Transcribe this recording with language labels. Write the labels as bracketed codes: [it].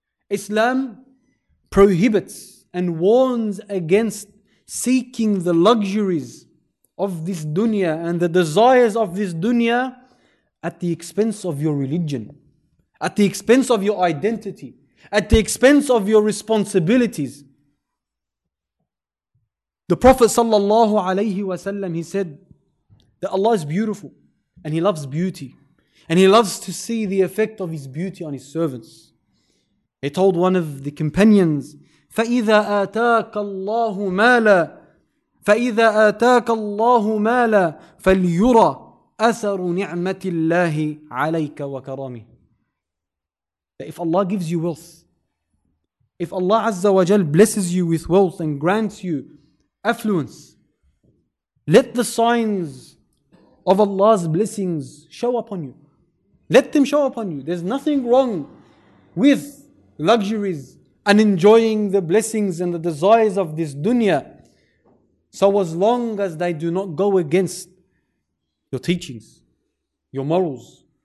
[en] Islam prohibits and warns against seeking the luxuries of this dunya and the desires of this dunya at the expense of your religion, at the expense of your identity, at the expense of your responsibilities. The Prophet sallallahu alayhi wasallam, he said that Allah is beautiful and He loves beauty, and He loves to see the effect of His beauty on His servants. He told one of the companions, [ar] فَإِذَا آتَاكَ اللَّهُ مَالًا فَإِذَا آتَاكَ اللَّهُ مَالًا فَلْيُرَى أَثَرُ نِعْمَةِ اللَّهِ عَلَيْكَ وَكَرَامِهِ. [en] That if Allah gives you wealth, if Allah Azza wa Jal blesses you with wealth and grants you affluence, let the signs of Allah's blessings show upon you. Let them show upon you. There's nothing wrong with luxuries and enjoying the blessings and the desires of this dunya, so as long as they do not go against your teachings, your morals.